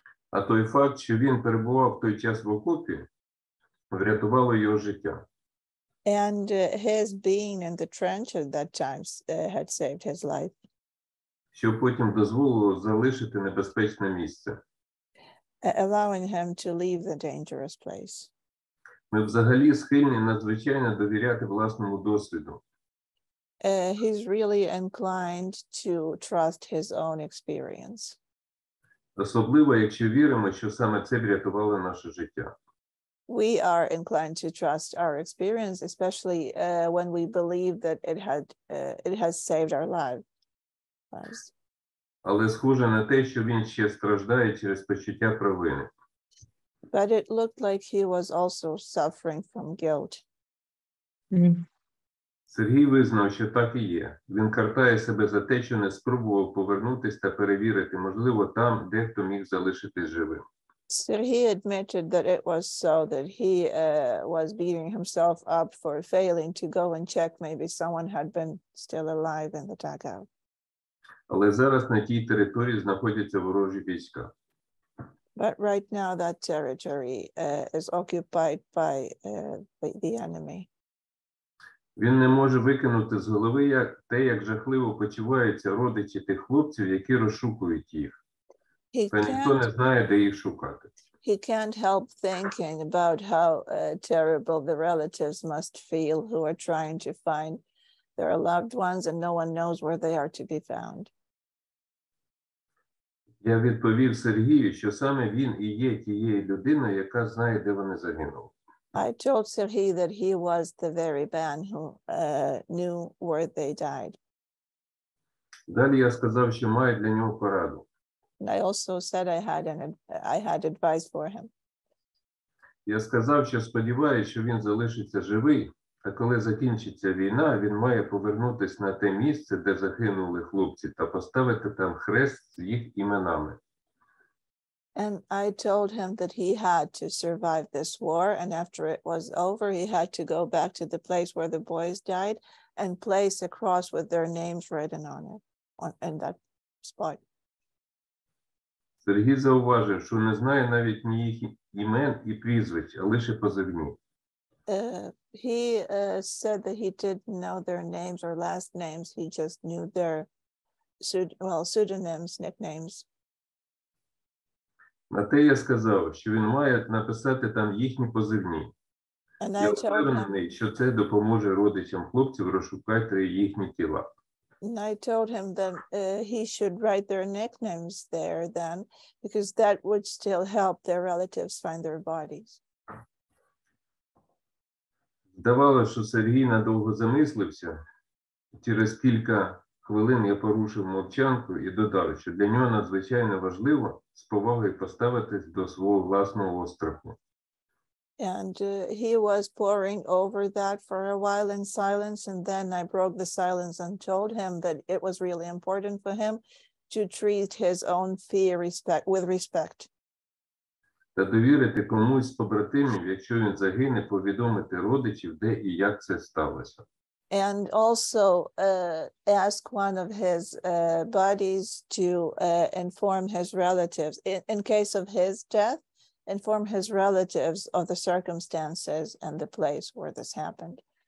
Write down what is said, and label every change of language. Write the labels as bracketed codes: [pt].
[uk] А той факт, що він перебував той час в окопі, врятувало його життя. [en] And his being in the trench at that time had saved his life. [uk] що потім дозволило залишити небезпечне місце. [en] Allowing him to leave the dangerous place. [uk] Ми взагалі схильні надзвичайно довіряти власному досвіду. [en] He's really inclined to trust his own experience. [uk] Особливо, якщо віримо, що саме це врятувало наше життя. [en] We are inclined to trust our experience, especially when we believe that it has saved our lives. [uk] Але схоже на те, що він ще страждає через почуття провини. [en] But it looked like he was also suffering from guilt. [uk] Сергій визнав, що так і є. Він картає себе за те, що не спробував повернутися та перевірити, можливо, там, де хто міг залишитись живим. [en] Сергій admitted that it was so, that he was beating himself up for failing to go and check, maybe someone had been still alive in the dugout. [uk] Але зараз на тій території знаходяться ворожі війська. [en] But right now that territory is occupied by the enemy. [uk] Він не може викинути з голови те, як жахливо почуваються родичі тих хлопців, які розшукують їх. Та ніхто не знає, де їх шукати. [en] He can't help thinking about how terrible the relatives must feel who are trying to find their loved ones and no one knows where they are to be found. [uk] Я відповів Сергію, що саме він і є тією людиною, яка знає, де вони загинули. [en] I told Сергій that he was the very man who knew where they died. [uk] Далі я сказав, що маю для нього пораду. [en] And I also said I had advice for him. [uk] Я сказав, що сподіваюся, що він залишиться живий, а коли закінчиться війна, він має повернутися на те місце, де загинули хлопці, та поставити там хрест з їх іменами. [en] And I told him that he had to survive this war, and after it was over, he had to go back to the place where the boys died and place a cross with their names written on it, in that spot. [uk] Сергій зауважив, що не знає навіть ні їх імен і прізвищ, а лише позивні. [en] He said that he didn't know their names or last names, he just knew their pseudonyms, nicknames. [uk] На те я сказав, що він має написати там їхні позивні. [en] And [uk] я впевнений, що це допоможе родичам хлопців розшукати їхні тіла. [en] And I told him that he should write their nicknames there then, because that would still help their relatives find their bodies. [uk] Здавалося, що Сергій надовго замислився. Через кілька хвилин я порушив мовчанку і додав, що для нього надзвичайно важливо з повагою поставитись до свого власного страху. [en] And he was poring over that for a while in silence, and then I broke the silence and told him that it was really important for him to treat his own fear with respect. [uk] Та довірити комусь з побратимів, якщо він загине, повідомити родичів, де і як це сталося. [en] And also ask one of his buddies to inform his relatives, in case of his death, inform his relatives of the circumstances and the place where this happened.